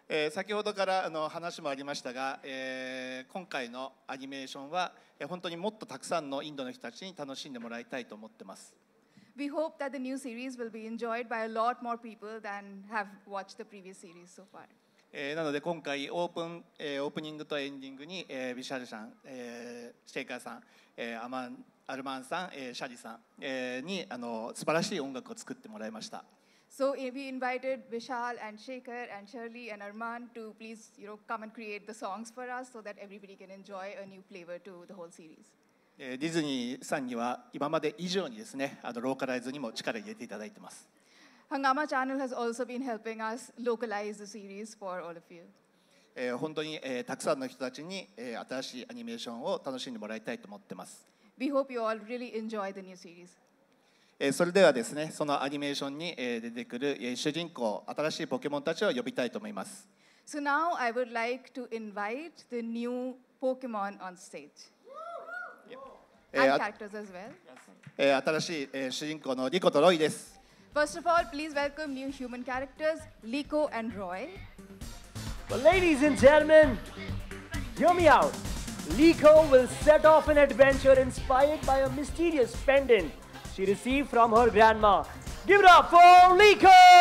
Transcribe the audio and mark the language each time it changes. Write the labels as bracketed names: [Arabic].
[Japanese] 先ほどからあの話もありましたが、今回のアニメーションは、本当にもっとたくさんのインドの人たちに楽しんでもらいたいと思ってます。 [English] We hope that the new series will be enjoyed by a lot more people than have watched the previous series so far. [Japanese] なので今回オープニングとエンディングに、ビシャルさん、シェイカーさん、アルマンさん、シャリさん、にあの素晴らしい音楽を作ってもらいました。 [English] So we invited Vishal and Shekhar and Shirley and Arman to please, you know, come and create the songs for us so that everybody can enjoy a new flavor to the whole series. [Japanese] ディズニーさんには今まで以上にですね、あのローカライズにも力を入れていただいてます。 [English] Hangama Channel has also been helping us localize the series for all of you. [Japanese] 本当に、たくさんの人たちに、新しいアニメーションを楽しんでもらいたいと思ってます。 [English] We hope you all really enjoy the new series. [Japanese] それではですね、そのアニメーションに出てくる主人公、新しいポケモンたちを呼びたいと思います。 [English] So now I would like to invite the new Pokemon on stage. And characters as well. [Japanese] 新しい主人公のリコとロイです。 [English] First of all, please welcome new human characters, Liko and Roy. Well, ladies and gentlemen, hear me out. Liko will set off an adventure inspired by a mysterious pendant she received from her grandma. Give it up for Liko!